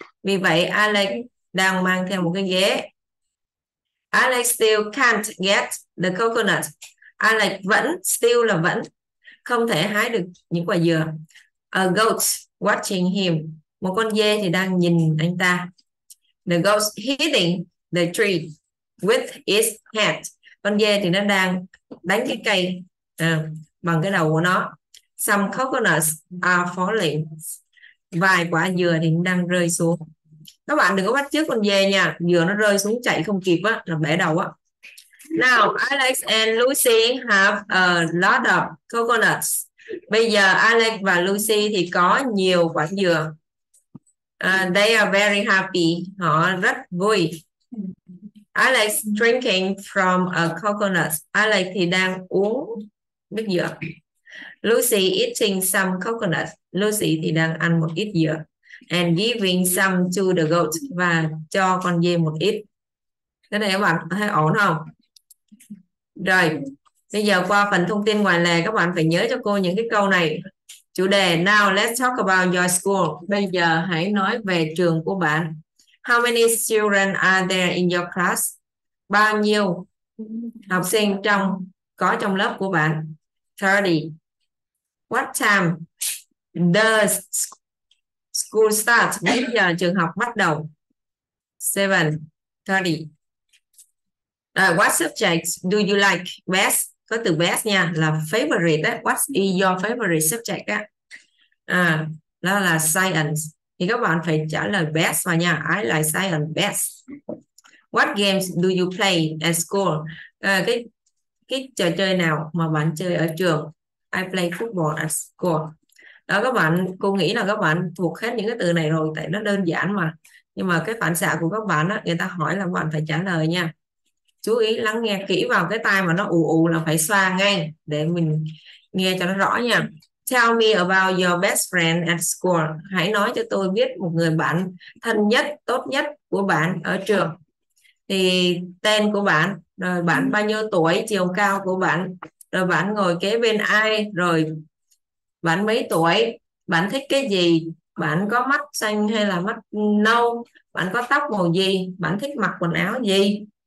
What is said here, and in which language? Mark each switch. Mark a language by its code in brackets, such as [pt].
[vi] Vì vậy Alex đang mang theo một cái ghế. [en] Alex still can't get the coconut. [vi] Alex vẫn, still là vẫn, không thể hái được những quả dừa. [en] A goat watching him. [vi] Một con dê thì đang nhìn anh ta. The goat hitting the tree with its head. Con dê thì nó đang đánh cái cây bằng cái đầu của nó. [en] Some coconuts are falling. [vi] Vài quả dừa thì đang rơi xuống. Các bạn đừng có bắt chước con dê nha. Dừa nó rơi xuống chạy không kịp á, là bể đầu á. [en] Now, Alex and Lucy have a lot of coconuts. [vi] Bây giờ Alex và Lucy thì có nhiều quả dừa. [en] They are very happy. [vi] Họ rất vui. [en] Alex drinking from a coconut. [vi] Alex thì đang uống nước dừa. [en] Lucy eating some coconut. [vi] Lucy thì đang ăn một ít dừa. [en] And giving some to the goat. [vi] Và cho con dê một ít. Cái này các bạn thấy ổn không? Rồi, bây giờ qua phần thông tin ngoài lề, các bạn phải nhớ cho cô những cái câu này. Chủ đề [en] now let's talk about your school. [vi] Bây giờ hãy nói về trường của bạn. [en] How many children are there in your class? [vi] Bao nhiêu học sinh trong có trong lớp của bạn? 30. [en] What time does school start? [vi] Mấy giờ trường học bắt đầu? 7:30. [en] What subjects do you like best? [vi] Có từ best nha, là favorite đó. [en] What is your favorite subject á? [vi] À, đó là science. Thì các bạn phải trả lời best vào nha. [en] I like science best. What games do you play at school? [vi] À, cái trò chơi nào mà bạn chơi ở trường? [en] I play football at school. [vi] Đó các bạn, cô nghĩ là các bạn thuộc hết những cái từ này rồi, tại nó đơn giản mà. Nhưng mà cái phản xạ của các bạn á, người ta hỏi là bạn phải trả lời nha. Chú ý lắng nghe kỹ vào cái tai mà nó ù ù là phải xoa ngay để mình nghe cho nó rõ nha. [en] Tell me about your best friend at school. [vi] Hãy nói cho tôi biết một người bạn thân nhất, tốt nhất của bạn ở trường. Thì tên của bạn, rồi bạn bao nhiêu tuổi, chiều cao của bạn, rồi bạn ngồi kế bên ai, rồi bạn mấy tuổi, bạn thích cái gì, bạn có mắt xanh hay là mắt nâu, bạn có tóc màu gì, bạn thích mặc quần áo gì.